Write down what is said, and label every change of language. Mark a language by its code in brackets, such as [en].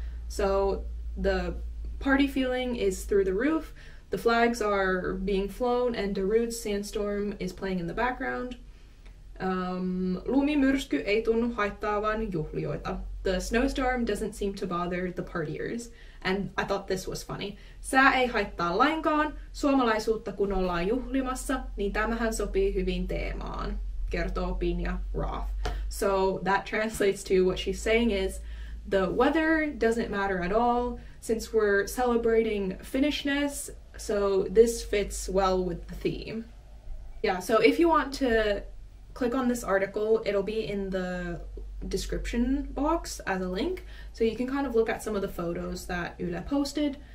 [en] So the party feeling is through the roof, the flags are being flown and Darude's Sandstorm is playing in the background. [fi] Lumimyrsky ei tunnu haittaavan juhlioita. [en] The snowstorm doesn't seem to bother the partiers. And I thought this was funny. [fi] Sää ei haittaa lainkaan. Suomalaisuutta kun ollaan juhlimassa, niin tämähän sopii hyvin teemaan, kertoo Pinja Roth. [en] So that translates to what she's saying is, the weather doesn't matter at all, since we're celebrating Finnishness, so this fits well with the theme. Yeah, so if you want to click on this article, it'll be in the description box as a link, so you can kind of look at some of the photos that Yle posted.